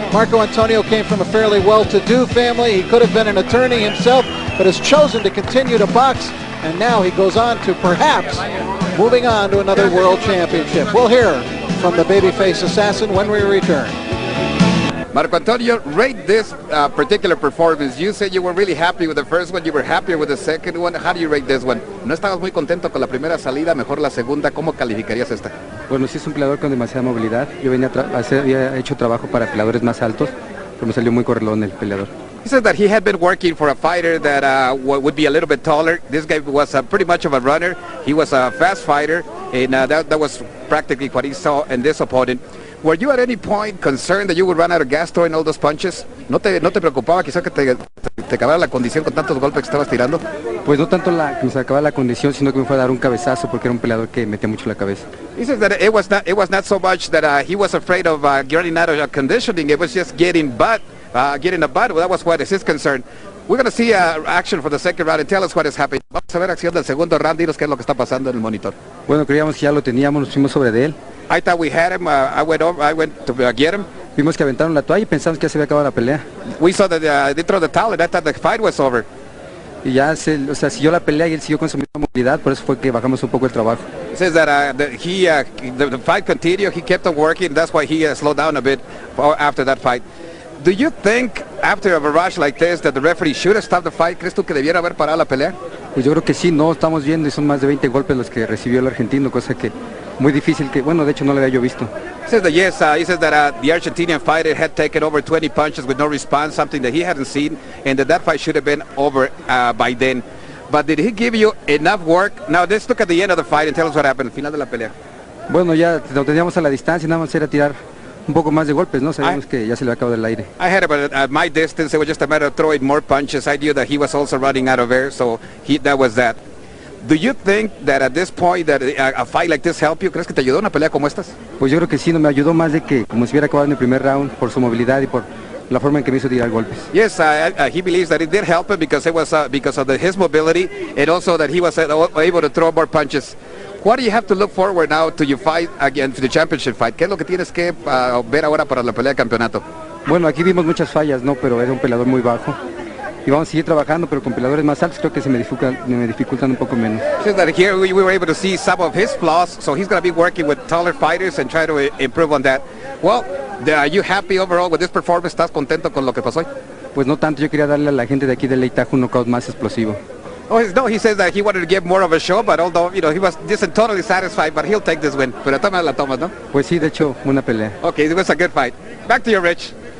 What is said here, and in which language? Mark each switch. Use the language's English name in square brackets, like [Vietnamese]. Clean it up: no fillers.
[English] Marco Antonio came from a fairly well-to-do family. He could have been an attorney himself, but has chosen to continue to box. And now he goes on to perhaps moving on to another world championship. We'll hear from the babyface assassin when we return. Marco Antonio, rate this particular performance. You said you were really happy with the first one. You were happier with the second one. How do you rate this one? [Spanish] No estabas muy contento con la primera salida, mejor la segunda. ¿Cómo calificarías esta? Bueno, sí es un peleador con demasiada movilidad. Yo venía había hecho trabajo para peleadores más altos, pero me salió muy correlón el peleador. [English] He said that he had been working for a fighter that would be a little bit taller. This guy was pretty much of a runner. He was a fast fighter, and that was practically what he saw in this opponent. Were you at any point concerned that you would run out of gas throwing all those punches? [Spanish] No te preocupaba quizá que te acabara la condición con tantos golpes que estabas tirando? Pues no tanto que me acabara la condición, sino que me fue a dar un cabezazo porque era un peleador que metía mucho la cabeza. [English] He says that it was not so much that he was afraid of getting out of conditioning, it was just getting a butt. Well, that was what is his concern. We're going to see action for the second round and tell us what is happening. [Spanish] Vamos a ver acción del segundo round, dinos qué es lo que está pasando en el monitor. Bueno, creíamos que ya lo teníamos, nos fuimos sobre de él. [English] I thought we had him. I went to get him. [Spanish] Vimos que aventaron la toalla y pensamos que ya se había acabado la pelea. [English] We saw that they threw the towel and I thought the fight was over. [Spanish] Y ya se, o sea, siguió la pelea y él siguió con su misma movilidad, por eso fue que bajamos un poco el trabajo. [English] He says that the fight continued, he kept on working, that's why he slowed down a bit after that fight. Do you think after a barrage like this that the referee should have stopped the fight? [Spanish] ¿Crees tú que debiera haber parado la pelea? Pues yo creo que sí, no, estamos viendo y son más de 20 golpes los que recibió el argentino, cosa que muy difícil que, bueno, de hecho no lo había yo visto. [English] He says that yes, he says that the Argentinian fighter had taken over 20 punches with no response, something that he hadn't seen, and that fight should have been over by then. But did he give you enough work? Now let's look at the end of the fight and tell us what happened, el final de la pelea. [Spanish] Bueno, ya lo teníamos a la distancia, nada más era tirar un poco más de golpes, ¿no? Sabemos que ya se le acabó el aire. [English] I had about my distance, it was just a matter of throwing more punches. I knew that he was also running out of air, so that was that. Do you think that at this point that a fight like this helped you? [Spanish] ¿Crees que te ayudó una pelea como estas? Pues yo creo que sí, no me ayudó más de que como si hubiera acabado en el primer round por su movilidad y por la forma en que me hizo tirar golpes. [English] Yes, he believes that it did help him because it was because of his mobility and also that he was able to throw more punches. What do you have to look forward now to your fight again for the championship fight? [Spanish] ¿Qué es lo que tienes que ver ahora para la pelea de campeonato? Bueno, aquí vimos muchas fallas, ¿no? Pero era un peleador muy bajo. Y vamos a seguir trabajando, pero con peleadores más altos creo que se me dificultan un poco menos. [English] He says that here we were able to see some of his flaws, so he's going to be working with taller fighters and try to improve on that. Well, are you happy overall with this performance? [Spanish] ¿Estás contento con lo que pasó hoy? Pues no tanto, yo quería darle a la gente de aquí de Tahoe un knockout más explosivo. [English] Oh, no, he says that he wanted to give more of a show, but although, you know, he wasn't totally satisfied, but he'll take this win. [Spanish] Pero toma la toma, ¿no? Pues sí, de hecho, una pelea. [English] Okay, it was a good fight. Back to you, Rich.